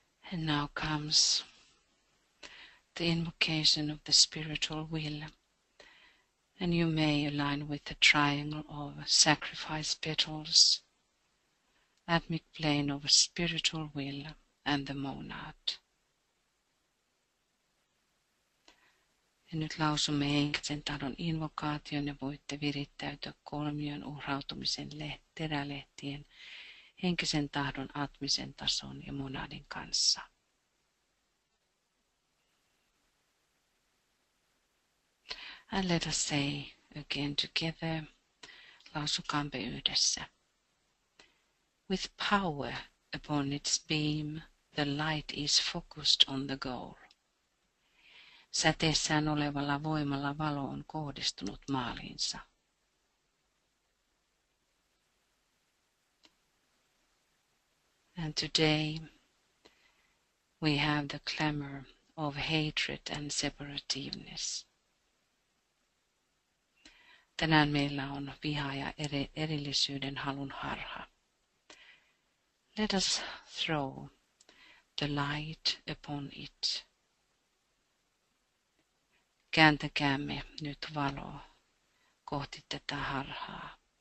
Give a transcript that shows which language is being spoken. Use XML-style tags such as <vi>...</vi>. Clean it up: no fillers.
<en>And now comes the invocation of the spiritual will, and you may align with the triangle of sacrifice petals, atmic plane of spiritual will, and the monad.</en> <fi>Ja nyt lausumme henkisen tahdon invokaation, ja voitte virittäytyä kolmion uhrautumisen terälehtien, henkisen tahdon, atmisen tason ja monadin kanssa.</fi> <en>And let us say again together,</en> <fi>lausukampe yhdessä.</fi> <en>With power upon its beam, the light is focused on the goal.</en> <fi>Säteessään olevalla voimalla valo on kohdistunut maaliinsa.</fi> <en>And today we have the clamor of hatred and separativeness.</en> <fi>Tänään meillä on viha ja erillisyyden halun harha.</fi> <en>Let us throw the light upon it.</en> <fi>Kääntäkäämme nyt valo kohti tätä harhaa.</fi>